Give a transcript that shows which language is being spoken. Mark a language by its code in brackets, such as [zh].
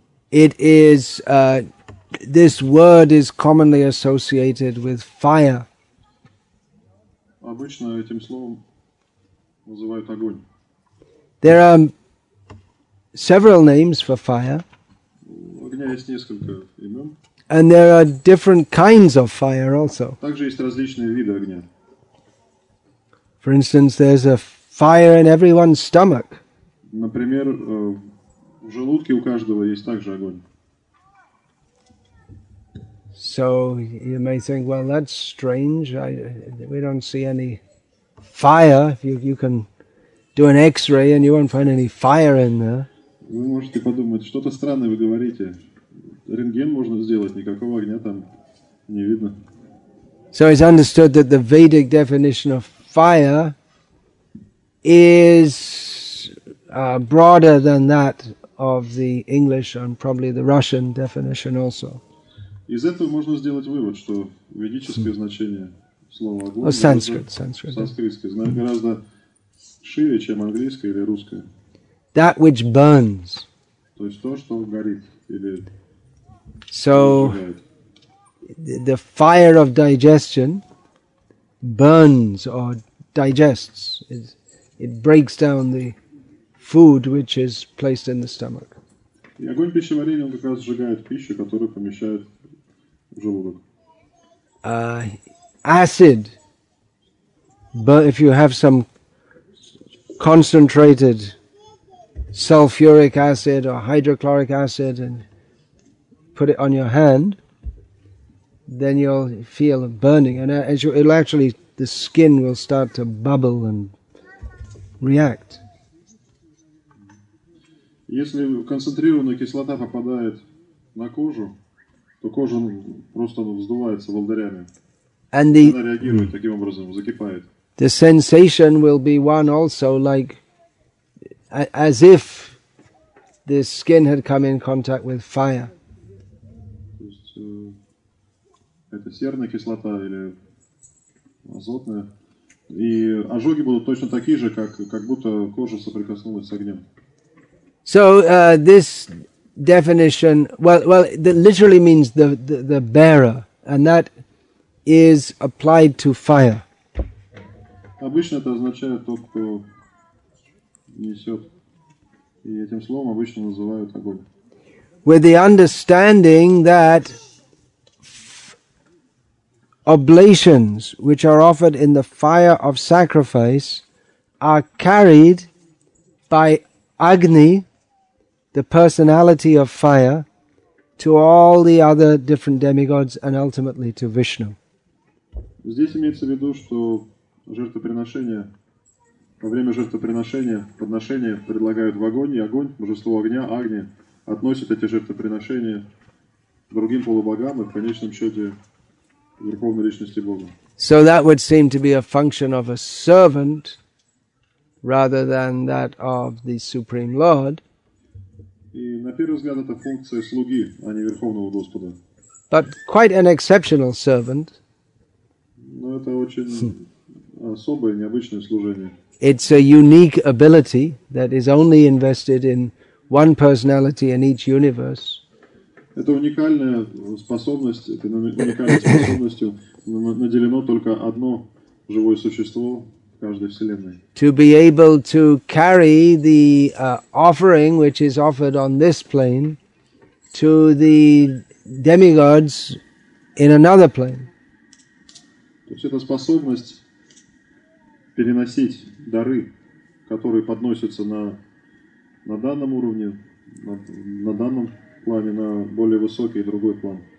[en] It is this word is commonly associated with fire. [ru] Обычно этим словом называют огонь. [en] There are several names for fire. [ru] У огня есть несколько имен. [en] And there are different kinds of fire also. [ru] Также есть различные виды огня. [en] For instance, there's a fire in everyone's stomach. [ru] Например, в желудке у каждого есть также огонь. [en] So you may think, well, that's strange. We don't see any fire. You can do an X-ray and you won't find any fire in there. [ru] Вы можете подумать, что-то странное вы говорите. Рентген можно сделать, никакого огня там не видно. [en] So it's understood that the Vedic definition of fire is broader than that of the English and probably the Russian definition also. [ru] Из этого можно сделать вывод, что ведическое значение слова огонь гораздо, Sanskrit. Санскритское значение гораздо шире, чем английское или русское. [en] That which burns. [ru] То есть то, что горит или [en] So the fire of digestion burns or digests. It breaks down the food which is placed in the stomach. [ru] И огонь пищеварения, он как раз сжигает пищу, которую помещают в желудок. [en] Acid. But if you have some concentrated sulfuric acid or hydrochloric acid and put it on your hand, then you'll feel a burning. And it'll actually, the skin will start to bubble and react. [ru] Если концентрированная кислота попадает на кожу, то кожа просто вздувается волдырями. [en] And the, [ru] она реагирует таким образом, закипает. [en] The sensation will be one also like as if the skin had come in contact with fire. [ru] То есть это серная кислота или азотная. И ожоги будут точно такие же, как будто кожа соприкоснулась с огнем. [en] So this definition, well, it literally means the bearer, and that is applied to fire. [ru] Обычно это означает тот, кто несет, и этим словом обычно называют огонь. [en] With the understanding that oblations, which are offered in the fire of sacrifice, are carried by Agni, the personality of fire, to all the other different demigods and ultimately to Vishnu. [ru] Здесь имеется в виду, что жертвоприношение, во время жертвоприношения, подношения предлагают в огонь, и огонь, божество огня, Агни, относит эти жертвоприношения другим полубогам и в конечном счете Верховной Личности Бога. [en] So that would seem to be a function of a servant rather than that of the Supreme Lord. [ru] И на первый взгляд это функция слуги, а не Верховного Господа. [en] But quite an exceptional servant. [ru] Но это очень особое, необычное служение. [en] It's a unique ability that is only invested in one personality in each universe. [ru] Это уникальная способность, это уникальной способностью наделено только одно живое существо [en] to be able to carry the offering which is offered on this plane to the demigods in another plane. [ru] То есть это способность переносить дары, которые подносятся на данном уровне, на данном плане, на более высокий другой план.